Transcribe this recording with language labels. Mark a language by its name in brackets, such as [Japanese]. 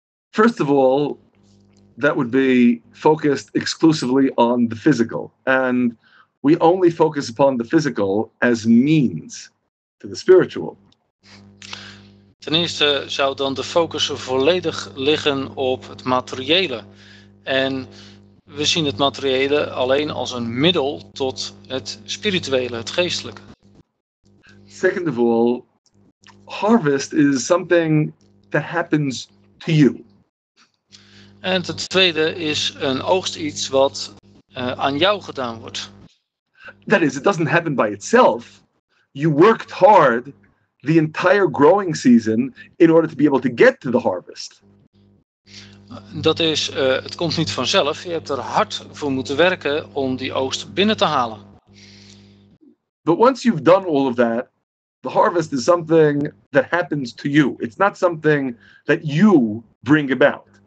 [English] First of all, that would be focused exclusively on the physical. And we only focus upon the physical as means to the spiritual. [Dutch] Ten eerste zou dan de focus volledig liggen op het materiële. En we zien het materiële alleen als een middel tot het spirituele, het geestelijke. [English] Second of all, harvest is something that happens to you. [Dutch] En ten tweede is een oogst iets wat aan jou gedaan wordt. [English] That is, it doesn't happen by itself. You worked hard the entire growing season in order to be able to get to the harvest. [Dutch] Dat is, het komt niet vanzelf. Je hebt er hard voor moeten werken om die oogst binnen te halen. [English] But once you've done all of that, the harvest is something that happens to you. It's not something that you bring about.